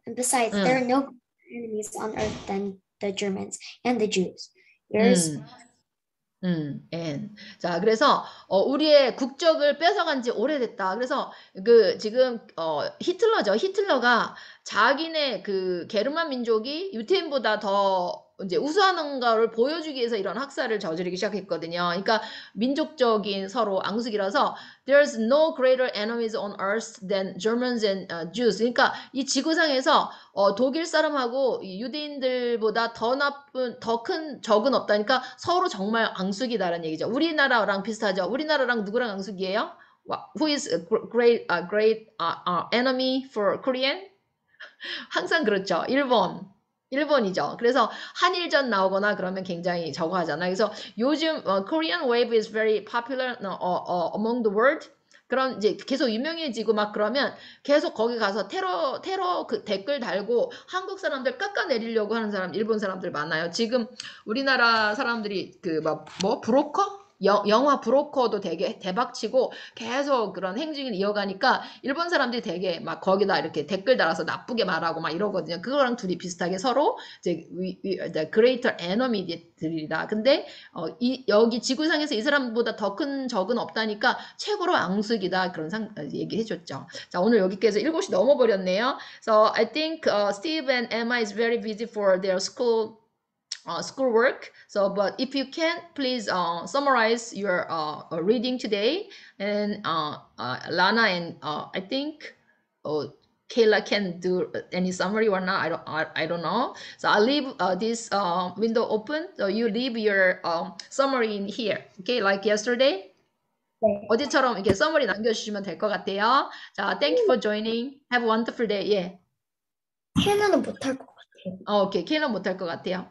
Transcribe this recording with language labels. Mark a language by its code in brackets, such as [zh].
[en] And besides, there are no enemies on earth than the Germans and the Jews. [ko] And 자 그래서 우리의 국적을 뺏어간 지 오래됐다. 그래서 그 지금 히틀러죠. 히틀러가 자기네 그 게르만 민족이 유태인보다 더 이제 우수하는 거를 보여주기 위해서 이런 학살을 저지르기 시작했거든요. 그러니까 민족적인 서로 앙숙이라서 [en] there's no greater enemies on earth than Germans and Jews. [ko] 그러니까 이 지구상에서 독일 사람하고 유대인들보다 더 나쁜 더 큰 적은 없다. 그러니까 서로 정말 앙숙이다라는 얘기죠. 우리나라랑 비슷하죠. 우리나라랑 누구랑 앙숙이에요? [en] Who is a great enemy for Korean? [ko] 항상 그렇죠. 일본. 일본이죠. 그래서 한일전 나오거나 그러면 굉장히 저거하잖아. 그래서 요즘 [en] Korean Wave is very popular among the world. [ko] 그럼 이제 계속 유명해지고 막 그러면 계속 거기 가서 테러 그 댓글 달고 한국 사람들 깎아내리려고 하는 사람 일본 사람들 많아요. 지금 우리나라 사람들이 그 막 뭐 브로커? 영화 브로커도 되게 대박치고 계속 그런 행진을 이어가니까 일본 사람들이 되게 막 거기다 이렇게 댓글 달아서 나쁘게 말하고 막 이러거든요. 그거랑 둘이 비슷하게 서로 이제 [en] the greater enemy [ko] 들이다. 근데 여기 지구상에서 이 사람보다 더 큰 적은 없다니까 최고로 앙숙이다 그런 얘기해줬죠. 자 오늘 여기까지 7시 넘어버렸네요. [en] So I think Steve and Emma is very busy for their school. School work. So, but if you can, please summarize your reading today. And Lana and I think Kayla can do any summary or not. I don't know. So I'll leave this window open. So you leave your summary in here. Okay, like yesterday. [ko] 어제처럼 이렇게 써머리 남겨주시면 될것 같아요. [en] 자, thank you for joining. Have a wonderful day. 예. [ko] 케이는 못할 것 같아요. 오케이, 케이는 못할 것 같아요.